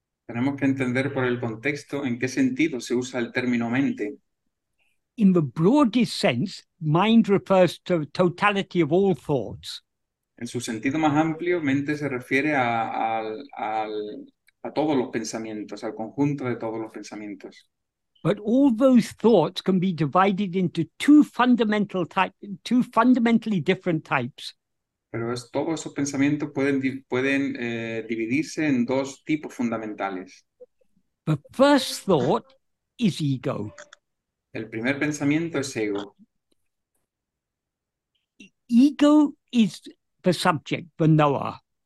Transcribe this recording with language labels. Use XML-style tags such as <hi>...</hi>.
<es>Tenemos que entender por el contexto en qué sentido se usa el término mente.</es> <en>In the broadest sense, mind refers to the totality of all thoughts.</en> <es>En su sentido más amplio, mente se refiere a todos los pensamientos, al conjunto de todos los pensamientos.</es> <en>But all those thoughts can be divided into two fundamentally different types.</en> <es>Pero todos esos pensamientos pueden dividirse en dos tipos fundamentales.</es> <en>The first thought is ego.</en> <es>El primer pensamiento es ego.</es> <en>Ego is the subject, the knower.</en>